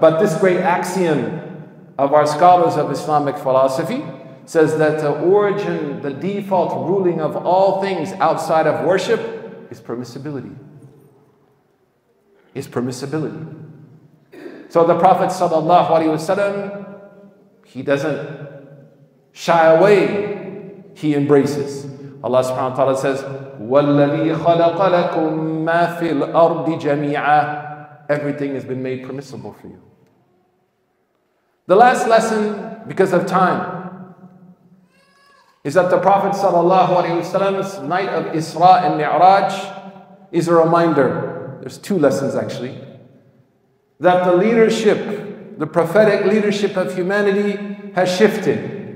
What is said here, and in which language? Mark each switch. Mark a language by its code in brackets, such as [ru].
[en] But this great axiom of our scholars of Islamic philosophy says that the origin, the default ruling of all things outside of worship is permissibility. Is permissibility. So the Prophet sallallahu alaihi wasallam, he doesn't shy away, he embraces. Allah subhanahu wa ta'ala says, [ar] وَالَّذِي خَلَقَ لَكُمْ مَا فِي الْأَرْضِ جَمِيعًا. [en] Everything has been made permissible for you. The last lesson, because of time, is that the Prophet sallallahu alaihi wasallam's night of Isra and Mi'raj is a reminder. There's two lessons actually. That the leadership, the prophetic leadership of humanity has shifted.